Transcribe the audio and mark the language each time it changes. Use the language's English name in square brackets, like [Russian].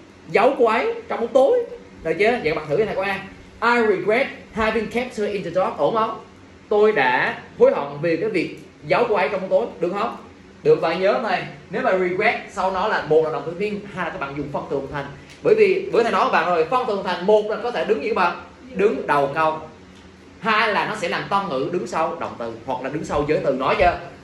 [Vietnamese] Giấu cô ấy trong bóng tối. Được chưa? Vậy các bạn thử cái này của em. [English] I regret having kept her in the dark. [Vietnamese] Ổn không? Tôi đã hối hận về cái việc giấu cô ấy trong bóng tối. Được không? Được, bạn nhớ này. Nếu mà regret sau nó là một là động từ thiên, hai là các bạn dùng phân tường thành. Bởi vì bữa nay nói với bạn rồi, phân tường thành một là có thể đứng như các bạn? Đứng đầu câu. Hai là nó sẽ làm tân ngữ đứng sau động từ hoặc là đứng sau giới từ, nói chưa?